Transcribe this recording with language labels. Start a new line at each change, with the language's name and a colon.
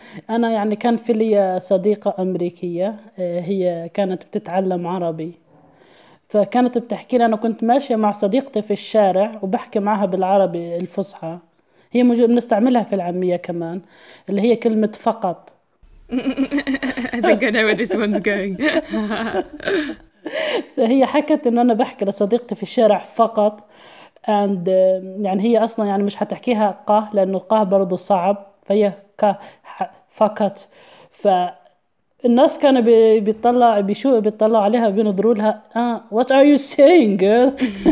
Arabic: أنا يعني كان في لي صديقة أمريكية، هي كانت بتتعلم عربي، فكانت بتحكي لي أنا كنت ماشية مع صديقتي في الشارع وبحكي معها بالعربي الفصحى، هي بنستعملها في العامية كمان، اللي هي كلمة فقط.
English: I think I know where this one's going.
Arabic: فهي حكت إن أنا بحكي لصديقتي في الشارع فقط، and يعني هي أصلا يعني مش هتحكيها قه لأنه قه برضو صعب، فهي ك فقط. فالناس كانوا بيطلعوا عليها بينظروا لها
English: what are you saying girl.